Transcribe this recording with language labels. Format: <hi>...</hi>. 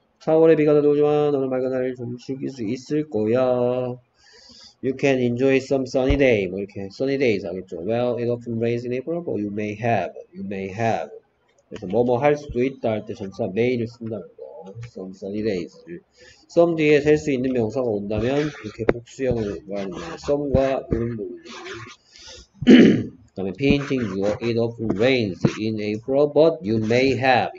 <ko>4월에 비가 내려오지만 오늘 맑은 날을 좀 즐길 수 있을 거야.</ko> <en>You can enjoy some sunny day.</en> <ko>뭐 이렇게</ko> <en>sunny days</en> <ko>하겠죠.</ko> <en>Well, it often rains in April, but you may have. You may have.</en> <ko>그래서 뭐뭐 할 수도 있다 할 때 전사 may를 쓴다는 거.</ko> <en>Some sunny days.</en> <ko>Some 뒤에 셀 수 있는 명사가 온다면 이렇게 복수형을 말하는 거예요. Some과 이런 부분. 그다음에 비인칭 주어.</ko> <en>It often rains in April, but you may have.</en>